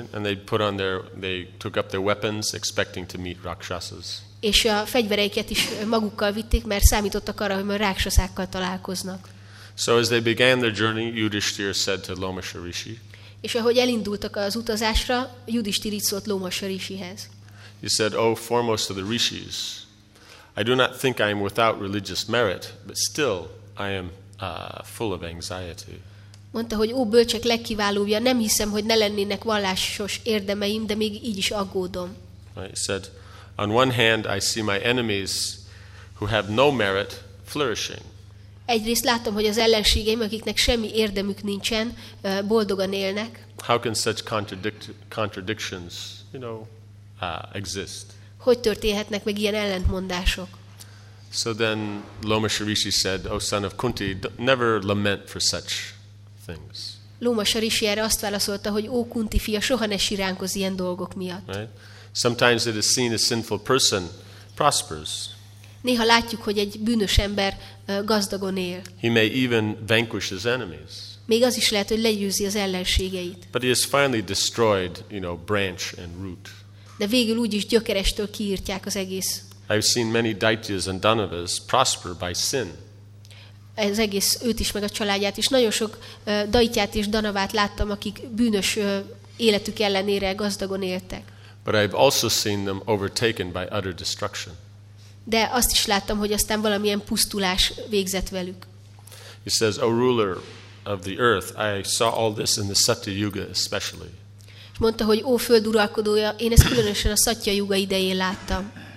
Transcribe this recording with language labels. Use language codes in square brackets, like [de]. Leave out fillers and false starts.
[en] And they put on they took up their weapons, expecting to meet rakshasas. [hu] És a fegyvereiket is magukkal vitték, mert számítottak arra, hogy majd rákshaszákkal találkoznak. [en] So as they began their journey, Yudhishthira said to Lomasha Rishi. [hu] És ahogy elindultak az utazásra, Yudhishthira így szólt Lomasha Rishihez. [en] He said, "O foremost of the Rishis, I do not think I am without religious merit, but still I am full of anxiety." [hu] Mondta, hogy ó, bölcsek legkiválóbbja, nem hiszem, hogy ne lennének vallásos érdemeim, de még így is aggódom. [en] He said, "On one hand, I see my enemies, who have no merit, flourishing." [hu] Egyrészt látom, hogy az ellenségeim, akiknek semmi érdemük nincsen, boldogan élnek. [en] How can such contradictions, you know, exist? [hu] Hogy történhetnek meg ilyen ellentmondások? [en] So then Lomasha Rishi said, "O son of Kunti, never lament for such things." [hu] Lomasha Rishi erre azt válaszolta, hogy ó Kunti fia, soha ne siránkozz ilyen dolgok miatt. [en] Right? Sometimes it is seen a sinful person prospers. [hu] Néha látjuk, hogy egy bűnös ember gazdagon él. [en] He may even vanquish his enemies. [hu] Még az is lehet, hogy legyőzi az ellenségeit. [en] But he has finally destroyed, you know, branch and root. [hu] De végül úgyis gyökerestől kiírtják az egész. [en] I've seen many daityas and danavas prosper by sin. [hu] Az egész őt is, meg a családját is. Nagyon sok daityát és danavát láttam, akik bűnös életük ellenére gazdagon éltek. [en] But I've also seen them overtaken by utter destruction. [hu] De azt is láttam, hogy aztán valamilyen pusztulás végzett velük. [en] He says, "O ruler of the earth, I saw all this in the Satyayuga especially." [hu] És mondta, hogy ó földuralkodója, én ezt különösen a Satyayuga idején láttam.